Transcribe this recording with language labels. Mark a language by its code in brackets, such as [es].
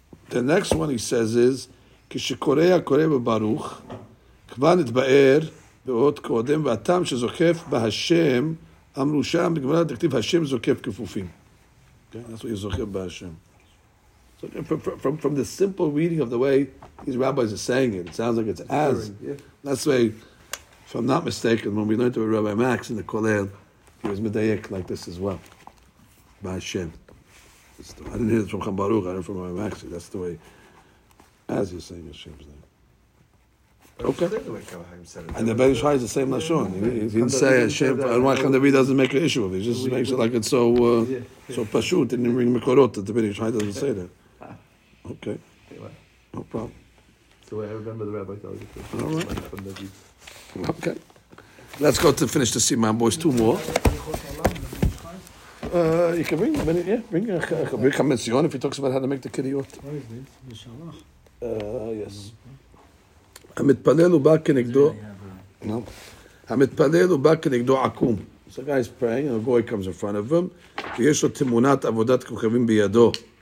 [en] The next one he says is [he] כשקורא הקורא בברוך כבר נתבאר ועוד קודם, והטעם שזוקף בהשם, אמרו שם, בגמרא דכתיב, השם זוקף כפופים. כן, אז הוא זוקף בהשם. [en] So from the simple reading of the way these rabbis are saying it, it sounds like it's as. That's why, if I'm not mistaken, when we learned about Rabbi Max in the Kollel, he was medayek like this as well. בהשם. I didn't hear this from Chaim Baruch, I heard from Rabbi Max. That's the way, as he's saying Hashem's name. Okay. And the Ben Ishai is the same Lashon. He didn't say Hashem. And why can't the doesn't make an issue of it? He just makes it like it's so so pashut. Didn't bring Mekorot that the Ben Ishai doesn't say that. Okay. No problem. So I remember the rabbi told you. All right. Okay. Let's go to finish the Siman, boys. Two more. You can bring them. Yeah, bring a Kamenzion if he talks about how to make the Kiriot. What is this? Yes. [he] המתפלל הוא בא כנגדו, המתפלל הוא בא כנגדו עקום. [en] So guy is praying, and a goy comes in front of him, [he] ויש לו תמונת עבודת כוכבים בידו.